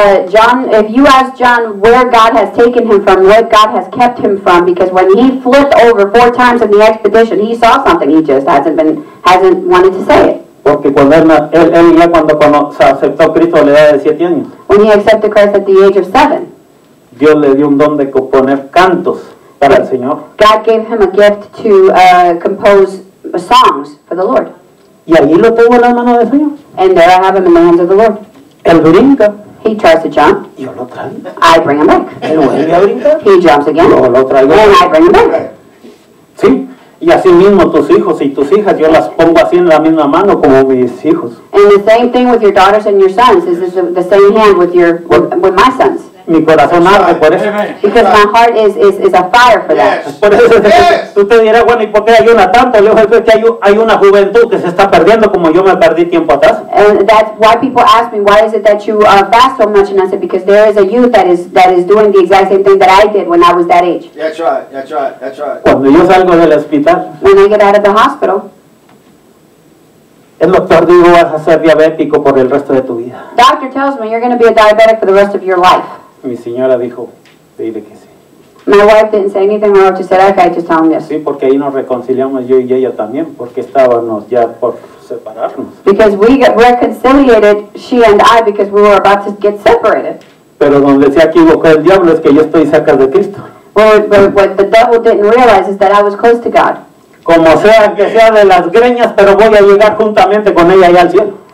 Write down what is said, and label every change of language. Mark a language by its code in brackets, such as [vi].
[en] John, if you ask John where God has taken him from, what God has kept him from, because when he flipped over four times in the expedition, he saw something, he just hasn't wanted to say it. [es] Porque cuando él ya cuando aceptó Cristo a la edad de 7 años. [en] When he accepted Christ at the age of 7. [es] Dios le dio un don de componer cantos para el Señor. [en] God gave him a gift to compose songs for the Lord. [es] Y ahí lo tuvo en la mano del Señor. [en] And there I have him in the hands of the Lord. [es] El brinca. [en] He tries to jump. [es] Yo lo traigo. [en] I bring him back. [es] El vuelve a brincar. [en] He jumps again. [es] Yo lo traigo. [en] And I bring him back. [es] Sí. Y así mismo tus hijos y tus hijas, yo las pongo así en la misma mano como mis hijos. [en] And the same thing with your daughters and your sons. This is the same hand with my sons. [es] Mi corazón arde por eso. [en] Because my heart is a fire for that. Yes. [es] Por eso tú te dirás, bueno, ¿y por qué ayuna tanto? Le digo, es que hay una juventud que se está perdiendo como yo me perdí tiempo atrás. [en] And that's why people ask me, why is it that you fast so much? And I said, because there is a youth that is doing the exact same thing that I did when I was that age. That's right. [es] Cuando yo salgo del hospital. [en] When I get out of the hospital. [es] El doctor dijo, vas a ser diabético por el resto de tu vida. [en] Doctor tells me, you're going to be a diabetic for the rest of your life. [es] Mi señora dijo, dile que sí. [en] My wife didn't say anything wrong, she said, okay, just tell him yes. [es] Sí, porque ahí nos reconciliamos yo y ella también, porque estábamos ya por separarnos. [en] Because we got reconciliated, she and I, because we were about to get separated. [es] Pero donde se equivocó el diablo es que yo estoy cerca de Cristo. [en] Well, what the devil didn't realize is that I was close to God. [es] Como sea, que sea de las greñas, pero voy a llegar juntamente con ella allá al cielo.